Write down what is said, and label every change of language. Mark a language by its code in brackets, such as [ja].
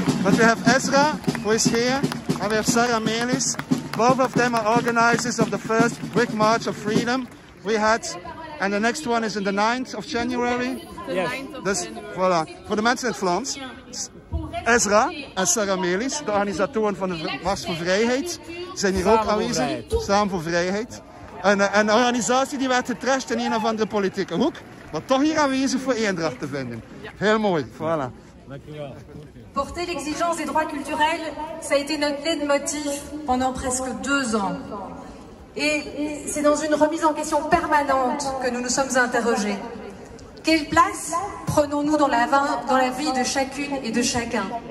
[en] But we have Ezra, who is here, and we have Sarah Melis. Both of them are organizers of the first Brick March of Freedom we had. And the next one is on the 9th of January. The 9th of January. Voilà. For the mensen in Vlaams. [nl] Ezra en Sarah Melis, de organisatoren van de Mars voor Vrijheid, zijn hier ook aanwezig. Samen voor Vrijheid. Een organisatie die werd getrashed in een of andere politieke hoek, maar toch hier aanwezig voor Eendracht te vinden. Heel mooi, voilà. Dank u wel. [fr] Porter l'exigence des droits culturels, ça a été notre leitmotiv pendant presque deux ans. Et c'est dans une remise en question permanente que nous nous sommes interrogés. Quelle place prenons-nous dans la vie de chacune et de chacun?